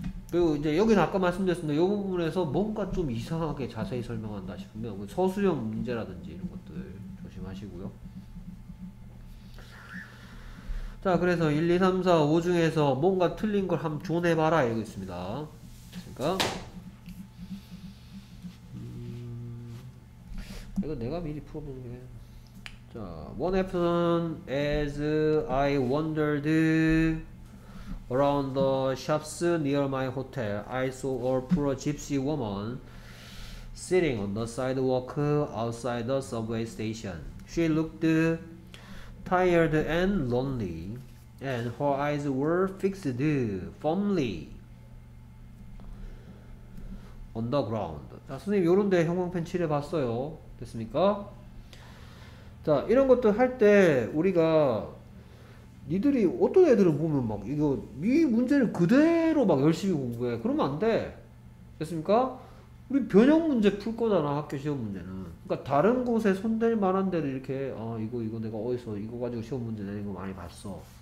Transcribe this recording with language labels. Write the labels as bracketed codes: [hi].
[ko] 그리고 이제 여기는 아까 말씀드렸습니다. 이 부분에서 뭔가 좀 이상하게 자세히 설명한다 싶으면 서술형 문제라든지 이런 것들 조심하시고요. 자, 그래서 1, 2, 3, 4, 5 중에서 뭔가 틀린 걸 한번 조내봐라, 이거 있습니다. 그러니까 이거 내가 미리 풀어보는 게. 자, [en] one afternoon as I wandered around the shops near my hotel, I saw a poor gypsy woman sitting on the sidewalk outside the subway station. She looked tired and lonely. And her eyes were fixed firmly on the ground. [ko] 자, 선생님, 요런데 형광펜 칠해봤어요. 됐습니까? 자, 이런 것도 할 때, 우리가, 니들이, 어떤 애들은 보면 막, 이거, 이 문제를 그대로 막 열심히 공부해. 그러면 안 돼. 됐습니까? 우리 변형 문제 풀 거잖아, 학교 시험 문제는. 그러니까 다른 곳에 손댈 만한 데를 이렇게, 아, 이거 내가 어디서, 이거 가지고 시험 문제 내는 거 많이 봤어.